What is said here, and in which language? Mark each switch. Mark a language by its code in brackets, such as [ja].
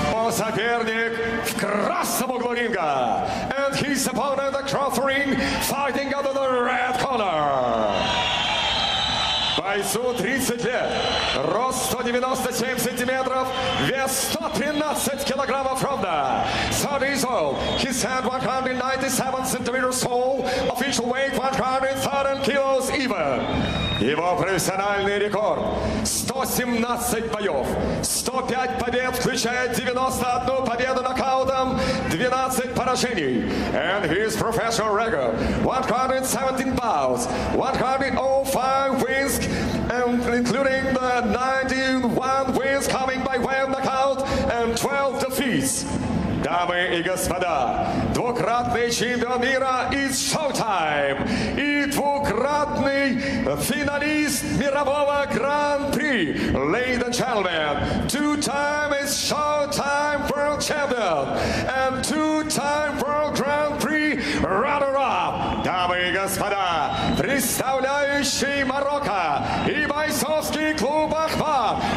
[ru] Соперник в красном углу ринга. [en] And his opponent across the ring, fighting under the red corner. [ru] Бойцу 30 лет. Рост 197 сантиметров. Вес 113 килограммов ровно. [en] 30 years old. His stand 197 centimeters tall. Official weight 130 kilos even. [ru] Его профессиональный рекорд 117 боев, 105 побед, включая 91 победу нокаутом, 12 поражений. [en] And his professional record 117 bouts, 105 wins, including the 91 wins coming by way of knockout and 12 defeats. [ru] Дамы и господа, двукратный чемпион мира из Showtime и двукратный финалист мирового гран-при. [en] Ladies and gentlemen, two-time is Showtime World Champion and two-time World Grand Prix runner-up. [ru] Дамы и господа, представляющий Марокко и бойцовский клуб «Ахмар».